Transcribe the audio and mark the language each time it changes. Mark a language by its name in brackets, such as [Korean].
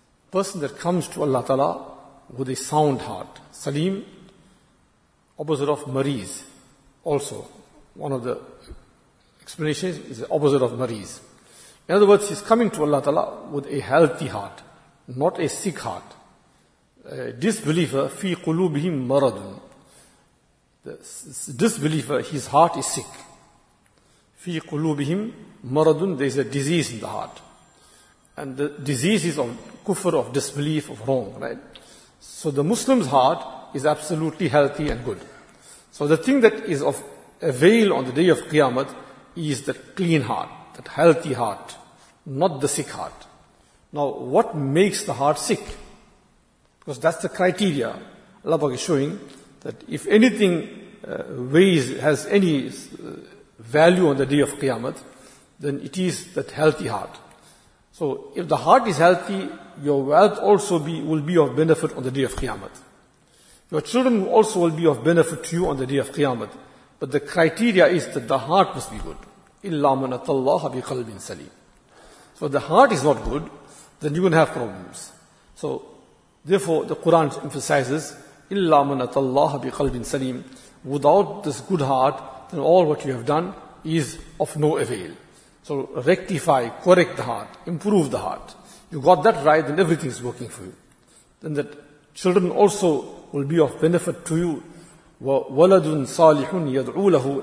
[English] Person that comes to Allah Ta'ala with a sound heart. Salim, opposite of Mariz. Also, one of the explanations is the opposite of Mariz. In other words, he's coming to Allah Ta'ala with a healthy heart, not a sick heart. A disbeliever, [Arabic] فِي قُلُوبِهِمْ مَرَضٌ. [English] The disbeliever, his heart is sick. [Arabic] فِي قُلُوبِهِمْ مَرَضٌ. [English] There is a disease in the heart. And the disease is of kufr, of disbelief, of wrong, right? So the Muslim's heart is absolutely healthy and good. So the thing that is of avail on the day of Qiyamah is the clean heart, that healthy heart, not the sick heart. Now, what makes the heart sick? Because that's the criteria Allah Pak is showing, that if anything has any value on the day of Qiyamah, then it is that healthy heart. So, if the heart is healthy, your wealth also will be of benefit on the day of Qiyamah. Your children also will be of benefit to you on the day of Qiyamah. But the criteria is that the heart must be good. [Arabic] إِلَّا مَنْ أَتَى اللَّهَ بِقَلْبٍ سَلِيمٍ. [English] So, if the heart is not good, then you're going to have problems. So, therefore, the Quran emphasizes, [Arabic] إِلَّا مَنْ أَتَى اللَّهَ بِقَلْبٍ سَلِيمٍ. [English] Without this good heart, then all what you have done is of no avail. So rectify, correct the heart, improve the heart. You got that right, then everything is working for you. Then that children also will be of benefit to you. [Arabic] وَلَدٌ صَالِحٌ يَدْعُو لَهُ.